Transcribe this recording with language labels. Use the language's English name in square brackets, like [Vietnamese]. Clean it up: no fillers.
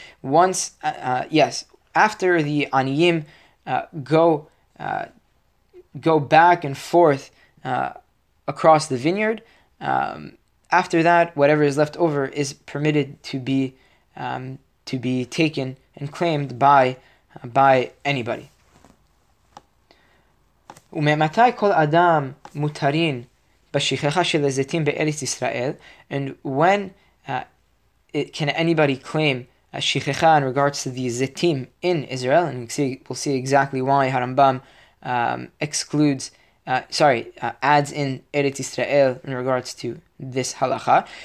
[English] Once, after the aniyim go back and forth across the vineyard. After that, whatever is left over is permitted to be taken and claimed by by anybody. [Hebrew] ומתי כל אדם מותרין בשכחה של הזיתים בארץ ישראל? [English] And when can anybody claim a shikhecha in regards to the zetim in Israel? And we'll see exactly why Harambam adds in Eretz Yisrael in regards to this halacha.